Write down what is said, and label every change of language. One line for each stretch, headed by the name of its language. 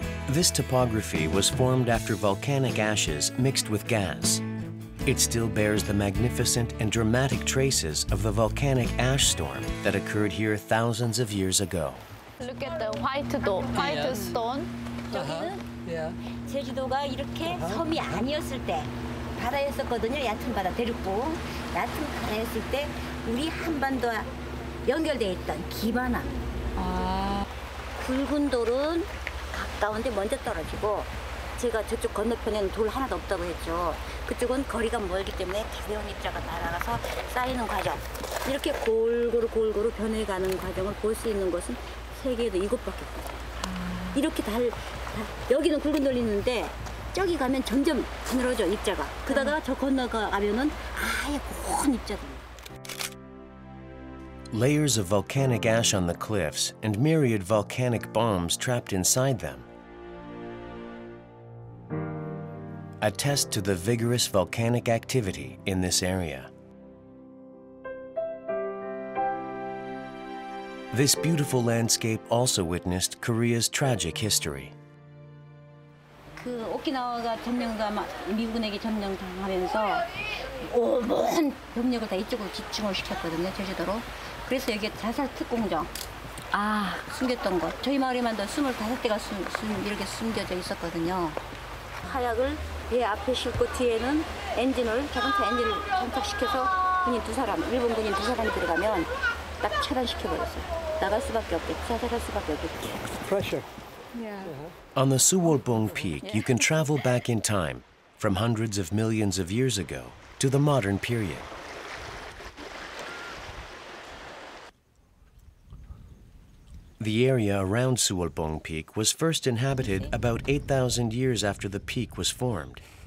English: This topography was formed after volcanic ashes mixed with gas. It still bears the magnificent and dramatic traces of the volcanic ash storm that occurred here thousands of years ago. Look at the white stone. Uh-huh. Yeah.
Korean: 제주도가 이렇게 섬이 아니었을 때 바다였었거든요. 얕은 바다 대륙고 얕은 바다였을 때 우리 한반도와 연결돼 있던 기반함. 아. 굵은 돌은 가까운데 먼저 떨어지고 제가 저쪽 건너편에는 돌 하나도 없다고 했죠. 그쪽은 거리가 멀기 때문에 가벼운 입자가 날아가서 쌓이는 과정. 이렇게 골고루 변해가는 과정을 볼 수 있는 것은 세계에도 이곳밖에 없어요. 이렇게 여기는 굵은 돌이 있는데 저기 가면 점점 가늘어져 입자가. 그러다가 저 건너가면은 아예 고운 입자가.
English: Layers of volcanic ash on the cliffs and myriad volcanic bombs trapped inside them attest to the vigorous volcanic activity in this area. This beautiful landscape also witnessed Korea's tragic history.
Korean: 그 오키나와가 미군에게 점령당하면서 온 병력을 다 이쪽으로 집중을 시켰거든요, 제주도로. 그래서 여기 자살 특공정. 아, 숨겼던 것. 저희 마을에만도 25대가 이렇게 숨겨져 있었거든요. 화약을 배 앞에 싣고 뒤에는 엔진을, 자동차 엔진을 장착시켜서 군인 두 사람, 일본 군인 두 사람이 들어가면 딱 차단시켜버렸어요. 나갈 수밖에 없겠지, 자살할 수밖에 없겠지.
English: Pressure. Yeah. On the Suwarbong Peak, you can travel back in time from hundreds of millions of years ago to the modern period. The area around Suwarbong Peak was first inhabited about 8,000 years after the peak was formed.